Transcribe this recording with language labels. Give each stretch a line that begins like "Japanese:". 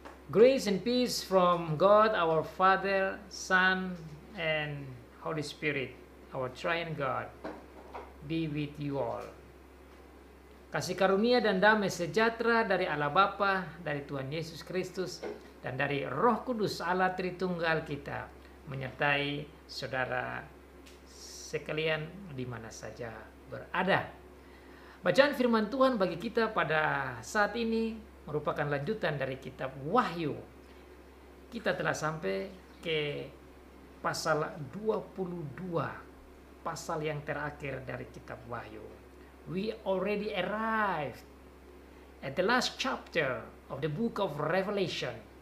English: Grace and peace from God our Father, Son and Holy Spirit, our Triune God, be with you all.
Indonesian: Kasih karunia dan damai sejahtera dari Allah Bapa, dari Tuhan Yesus Kristus, dan dari Roh Kudus Allah Tritunggal kita menyertai saudara sekalian di mana saja berada. Bacaan firman Tuhan bagi kita pada saat ini merupakan lanjutan dari kitab Wahyu. Kita telah sampai ke pasal 22, pasal yang terakhir dari kitab Wahyu.
English: We already arrived at the last chapter of the book of Revelation.